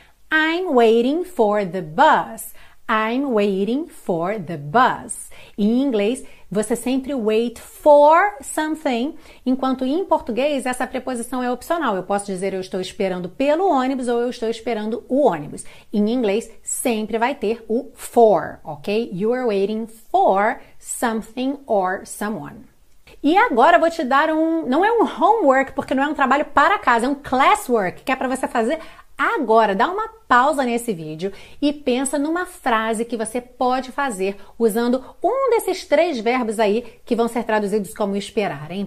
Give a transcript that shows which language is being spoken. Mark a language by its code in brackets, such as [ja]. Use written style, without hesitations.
[en] I'm waiting for the bus. I'm waiting for the bus. [pt] Em inglês, você sempre [en] wait for something, [pt] enquanto em português essa preposição é opcional. Eu posso dizer eu estou esperando pelo ônibus ou eu estou esperando o ônibus. Em inglês, sempre vai ter o for, ok? [en] You are waiting for something or someone. [pt] E agora vou te dar não é um homework, porque não é um trabalho para casa, é um classwork, que é para você fazer agora. Dá uma pausa nesse vídeo e pensa numa frase que você pode fazer usando um desses três verbos aí que vão ser traduzidos como esperar, hein?